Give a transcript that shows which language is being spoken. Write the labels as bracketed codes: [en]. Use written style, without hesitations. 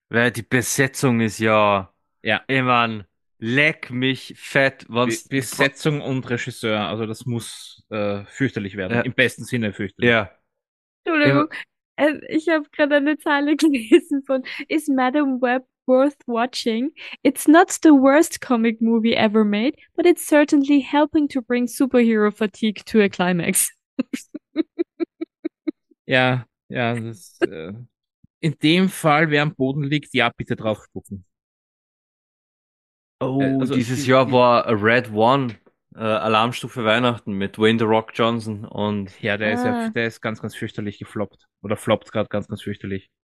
[de] Weil die Besetzung ist ja. Ja. Ich meine, leck mich fett. Besetzung und Regisseur, also das muss fürchterlich werden. Ja. Im besten Sinne fürchterlich. Ja. Entschuldigung. Ich habe gerade eine Zeile gelesen von [en] Is Madam Web worth watching? It's not the worst comic movie ever made, but it's certainly helping to bring superhero fatigue to a climax. [de] Ja, das, in dem Fall, wer am Boden liegt, ja, bitte drauf spucken. Dieses Jahr war Red One, Alarmstufe Weihnachten mit Dwayne The Rock Johnson und. Ja, der ist ganz, ganz fürchterlich gefloppt. Oder floppt gerade ganz, ganz fürchterlich.